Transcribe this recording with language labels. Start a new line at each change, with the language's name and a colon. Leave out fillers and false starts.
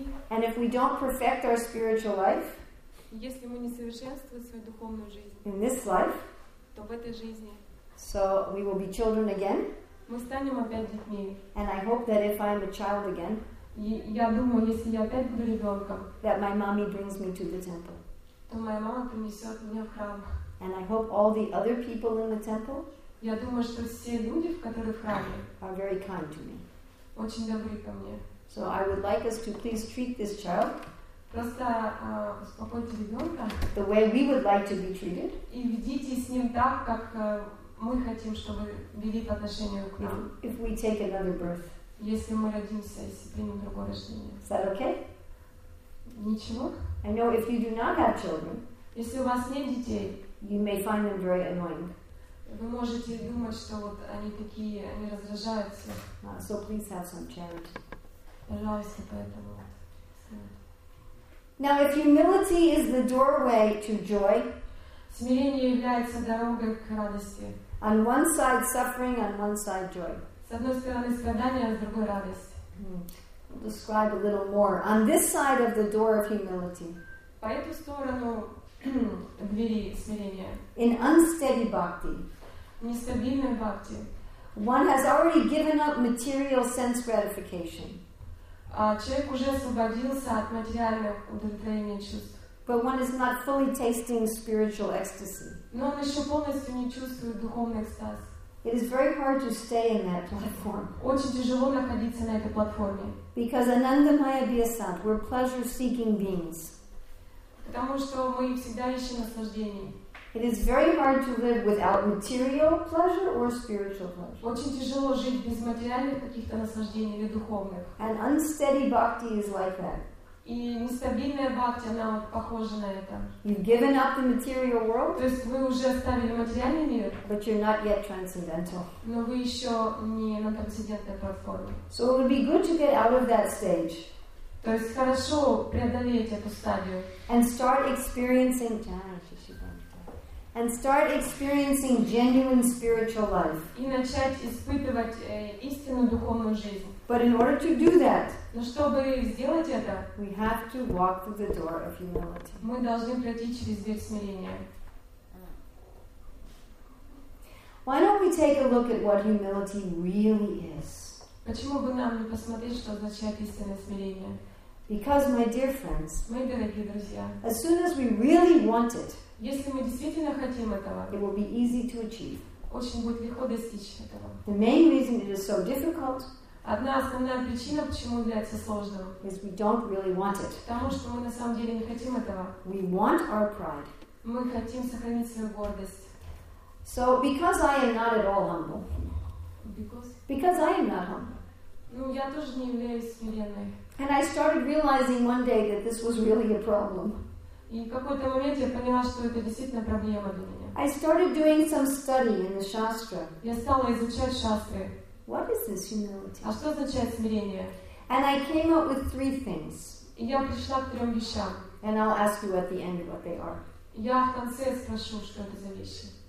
English: And if we don't perfect our spiritual life,
Russian: если мы не совершенствуем свою духовную жизнь,
English: in this life,
Russian: то в этой жизни,
English: so we will be children again.
Russian: Мы станем опять детьми.
English: And I hope that if I am a child again,
Russian: я думаю, если я опять буду ребенком,
English: that my mommy brings me to the temple.
Russian: То моя мама принесет меня в храм.
English: And I hope all the other people in the temple,
Russian: я думаю, что все люди, которые в храме,
English: are very kind to me.
Russian: Очень добры ко мне.
English: So I would like us to please treat this child
Russian: просто успокойте ребенка.
English: The way we would like to be treated.
Russian: И ведите с ним так, как мы хотим, чтобы вели по отношению к нам.
English: If we take another birth.
Russian: Если мы родимся, если примем другое рождение.
English: Is that okay?
Russian: Ничего.
English: I know if you do not have children.
Russian: Если у вас нет детей.
English: You may find them very annoying.
Russian: Вы можете думать, что вот они такие, они раздражаются.
English: So please have some charity.
Russian: Пожалуйста, поэтому.
English: Now, if humility is the doorway to joy,
Russian: смирение является дорогой к радости.
English: On one side, suffering, on one side, joy.
Russian: С одной стороны страдания, а с другой радость.
English: We'll describe a little more. On this side of the door of humility,
Russian: по эту сторону двери смирения.
English: In unsteady bhakti,
Russian: в нестабильной бхакти,
English: one has already given up material sense gratification.
Russian: Человек уже освободился от материальных удовлетворений чувств.
English: But one is not fully tasting spiritual ecstasy.
Russian: Но он еще полностью не чувствует духовный экстаз.
English: It is very hard to stay in that platform.
Russian: Очень тяжело находиться на этой платформе.
English: Because Anandamaya Vyasant, we're pleasure-seeking beings.
Russian: Потому что мы всегда ищем наслаждений.
English: It is very hard to live without material pleasure or spiritual pleasure.
Russian: Очень тяжело жить без материальных каких-то наслаждений или духовных.
English: And unsteady bhakti is like that.
Russian: И нестабильная бхакти, она вот похожа на это.
English: You've given up the material world.
Russian: То есть вы уже оставили материальный мир.
English: But you're not yet transcendental.
Russian: Но вы еще не на трансцендентной платформе.
English: So it would be good to get out of that stage.
Russian: То есть хорошо преодолеть эту стадию.
English: And start experiencing genuine spiritual life.
Russian: И начать испытывать истинную духовную жизнь.
English: But in order to do that,
Russian: но чтобы сделать это,
English: we have to walk through the door of humility.
Russian: Мы должны пройти через дверь смирения.
English: Why don't we take a look at what humility really is?
Russian: Почему бы нам не посмотреть, что означает истинное смирение?
English: Because, my dear friends,
Russian: мои дорогие друзья,
English: as soon as we really want it,
Russian: если мы действительно хотим этого,
English: it will be easy to achieve.
Russian: Очень будет легко достичь этого.
English: The main reason it is so difficult,
Russian: одна основная причина, почему является сложным,
English: is we don't really want it.
Russian: Потому что мы на самом деле не хотим этого.
English: We want our pride.
Russian: Мы хотим сохранить свою гордость.
English: So, because I am not at all humble, because I am not humble,
Russian: ну, я тоже не являюсь смиренной.
English: And I started realizing one day that this was really a problem.
Russian: И в какой-то момент я поняла, что это действительно проблема для меня.
English: I started doing some study in the shastra.
Russian: Я стала изучать шастры.
English: What is this humility?
Russian: А что означает смирение?
English: And I came up with three things.
Russian: И я пришла к трем вещам.
English: And I'll ask you at the end what they are.
Russian: Я в конце спрошу, что это за вещи.